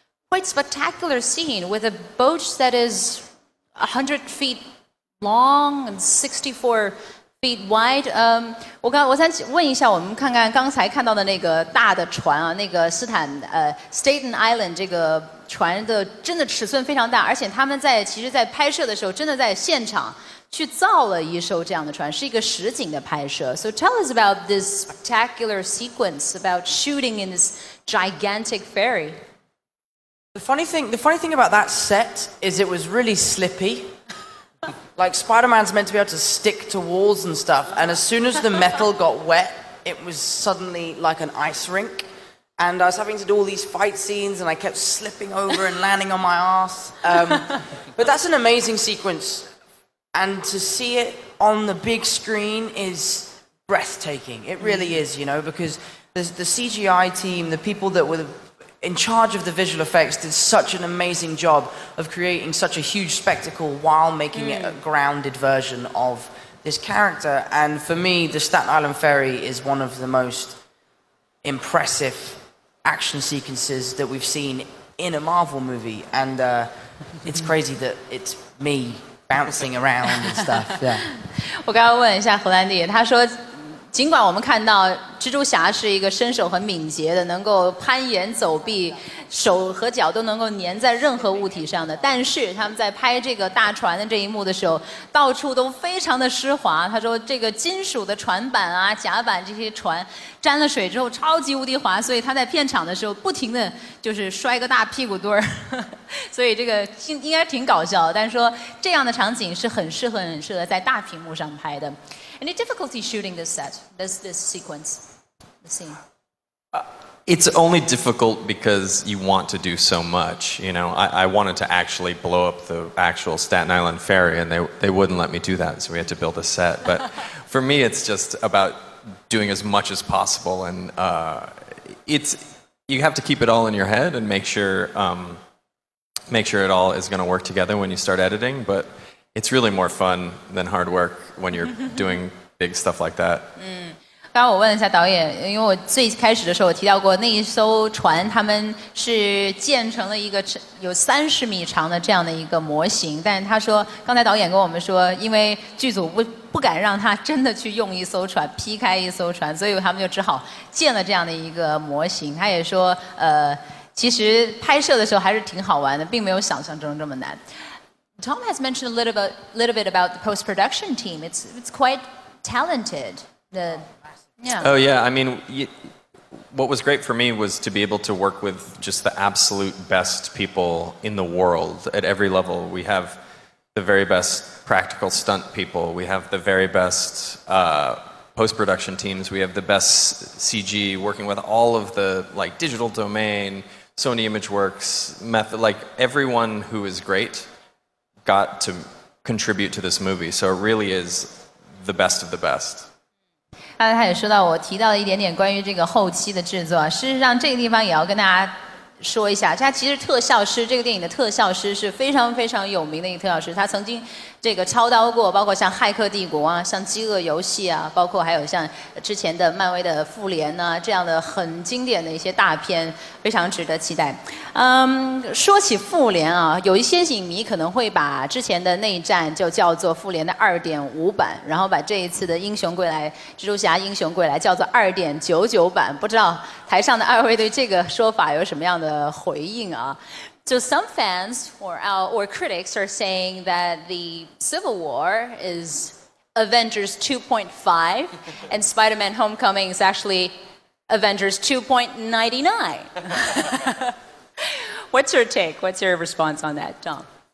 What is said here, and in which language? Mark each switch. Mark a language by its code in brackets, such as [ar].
[en] Quite spectacular scene with a boat that is 100 feet long and 64 feet wide. [zh] 我想问一下，我们看看刚才看到的那个大的船啊，那个Staten Island 这个船的真的尺寸非常大，而且他们在拍摄的时候真的在现场去造了一艘这样的船，是一个实景的拍摄。 [en] So tell us about this spectacular sequence about shooting in this gigantic ferry. The funny thing about that set is it was really slippy. Like Spider-Man's meant to be able to stick to walls and stuff, and as soon as the metal got wet, it was suddenly like an ice rink. And I was having to do all these fight scenes, and I kept slipping over and landing on my ass. But that's an amazing sequence. And to see it on the big screen is breathtaking. It really is, you know, because the CGI team, the people that were in charge of the visual effects, did such an amazing job of creating such a huge spectacle while making it a grounded version of this character. And for me, the Staten Island Ferry is one of the most impressive... action sequences that we've seen in a Marvel movie, and it's crazy that it's me bouncing around and stuff. Yeah. [zh] 我刚刚问一下荷兰弟，他说，尽管我们看到蜘蛛侠是一个身手很敏捷的，能够攀岩走壁，手和脚都能够粘在任何物体上的，但是他们在拍这个大船的这一幕的时候，到处都非常的湿滑。他说，这个金属的船板啊、甲板这些船沾了水之后超级无敌滑，所以他在片场的时候不停的就是摔个大屁股墩儿，所以这个应该挺搞笑的。但是说这样的场景是很适合在大屏幕上拍的。 [en] Any difficulty shooting this set, this sequence, the scene? It's only difficult because you want to do so much. You know, I wanted to actually blow up the actual Staten Island Ferry, and they wouldn't let me do that, so we had to build a set. But for me, it's just about doing as much as possible. And you have to keep it all in your head and make sure it all is going to work together when you start editing. But... It's really more fun than hard work when you're doing big stuff like that. [zh] 刚刚我问了一下导演，因为我最开始的时候我提到过那一艘船，他们是建成了一个有30米长的这样的一个模型，但是他说刚才导演跟我们说，因为剧组不敢让他真的去用一艘船劈开一艘船，所以他们就只好建了这样的一个模型。他也说，其实拍摄的时候还是挺好玩的，并没有想象中这么难。 [en] Tom has mentioned a little bit about the post-production team. It's quite talented. Oh, yeah. I mean, what was great for me was to be able to work with just the absolute best people in the world at every level. We have the very best practical stunt people. We have the very best post-production teams. We have the best CG, working with all of the like, digital domain, Sony Imageworks, method, like everyone who is great. Got to contribute to this movie, so it really is the best of the best. [zh] 刚才他也说到，我提到了一点点关于这个后期的制作。事实上，这个地方也要跟大家说一下，他其实特效师，这个电影的特效师是非常非常有名的一个特效师。他曾经这个操刀过，包括像《骇客帝国》啊，像《饥饿游戏》啊，包括还有像之前的漫威的《复联》呐，这样的很经典的一些大片，非常值得期待。说起《复联》啊，有一些影迷可能会把之前的内战就叫做《复联》的2.5版，然后把这一次的《英雄归来》《蜘蛛侠：英雄归来》叫做2.99版。不知道台上的二位对这个说法有什么样的回应啊？ [en] So some fans or critics are saying that the Civil War is Avengers 2.5 and Spider-Man Homecoming is actually Avengers 2.99. What's your take? What's your response on that, Tom?